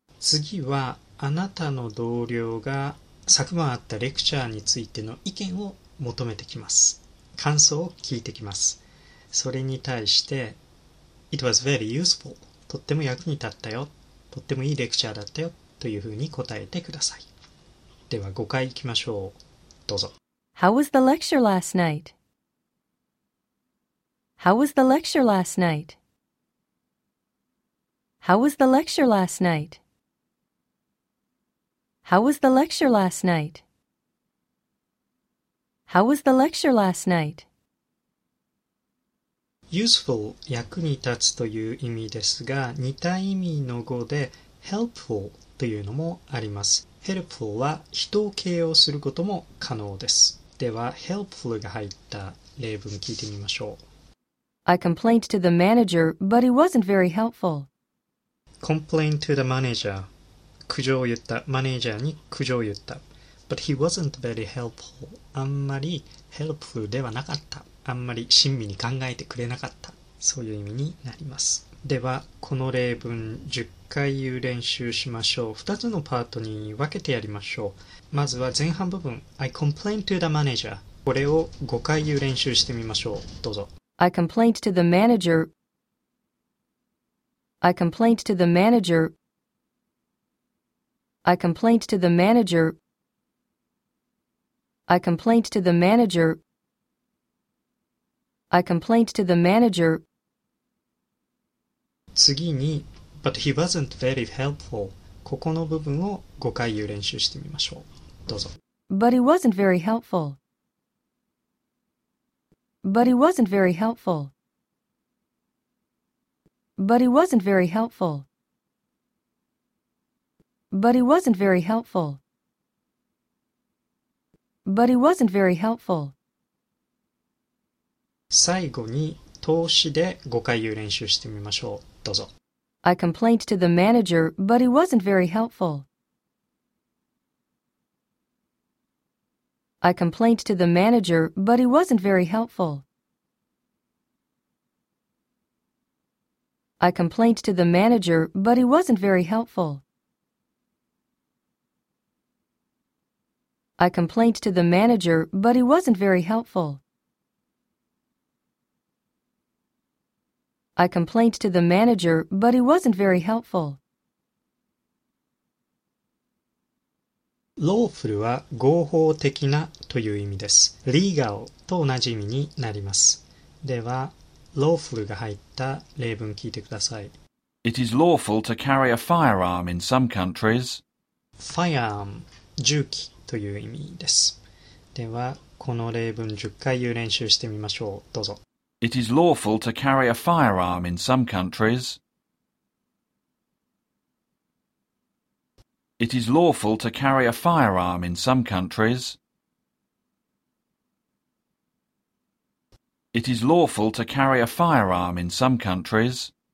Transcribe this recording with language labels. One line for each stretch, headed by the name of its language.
Japanese: 次はあなたの同僚が昨晩あったレクチャーについての意見を求めてきます。感想を聞いてきます。それに対して、
English: It was very useful.
Japanese: とっても役に立ったよ。とってもいいレクチャーだったよ。というふうに答えてください。では5回行きましょう。
English: How was the lecture last night? How was the lecture last night? How was the lecture last night? How was the lecture last night? How was the lecture last night?
Japanese: Useful 役に立つという意味ですが、似た意味の語で helpful というのもあります。 Helpful は人を形容することも可能です。では、Helpful が入った例文聞いてみましょう。
English: I complained to the manager, but he wasn't very helpful. Complained to the manager.
Japanese: 苦情を言った。マネージャーに苦情を言った。
English: But he wasn't very helpful.
Japanese: あんまり Helpful ではなかった。あんまり親身に考えてくれなかった。そういう意味になります。では、この例文10回言う練習しましょう。 2つのパートに分けてやりましょう。まずは前半部分。
English: I complained to the manager.
Japanese: これを5回言う練習してみましょう。どうぞ。
English: I complained to the manager. I complained to the manager. I complained to the manager. I complained to the manager. I complained to the manager.
Japanese: 次に、
English: But he wasn't very helpful.
Japanese: ここの部分を5回言う練習してみましょう。どうぞ。
English: But he wasn't very helpful. But he wasn't very helpful. But he wasn't very helpful. But he wasn't very helpful. But he wasn't very helpful.
Japanese: 最後に通しで5回言う練習してみましょう。どうぞ。
English: I complained to the manager, but he wasn't very helpful. I complained to the manager, but he wasn't very helpful. I complained to the manager, but he wasn't very helpful. I complained to the manager, but he wasn't very helpful. I complained to the manager, but he wasn't very helpful.
Japanese: Lawful は合法的なという意味です。 Legal と同じ意味になります。では、lawful が入った例文聞いてください。
English: It is lawful to carry a firearm in some countries.
Japanese: Firearm、銃器という意味です。では、この例文10回言う練習してみましょう。どうぞ。
English: It is lawful to carry a firearm in some countries. It is lawful to carry a firearm in some countries. It is lawful to carry a firearm in some countries.